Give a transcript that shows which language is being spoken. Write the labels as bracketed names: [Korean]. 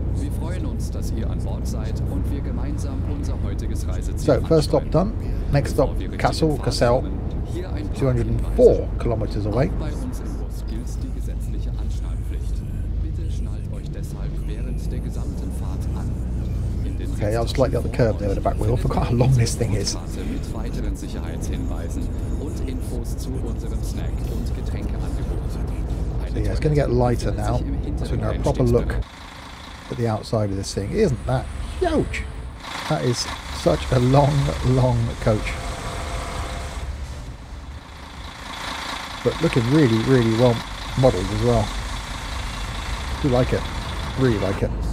[German] Wir freuen uns, dass ihr an Bord seid und wir gemeinsam unser heutiges Reiseziel. [English] So, first stop done. Next stop, Kassel. 204 kilometers away. [German] Auch bei uns im Bus gilt die gesetzliche Anschnallpflicht. Bitte schnallt euch deshalb während der gesamten Fahrt an. [English] Okay, I'll slightly up the curb there with the back wheel. I forgot how long this thing is. [German] Mit weiteren Sicherheitshinweisen und Infos zu unserem Snack und Getränkeangebot. [English] So yeah, it's going to get lighter now, so we can have a proper look at the outside of this thing. Isn't that huge? That is such a long, long coach. But looking really, really well modelled as well. Do like it. Really like it.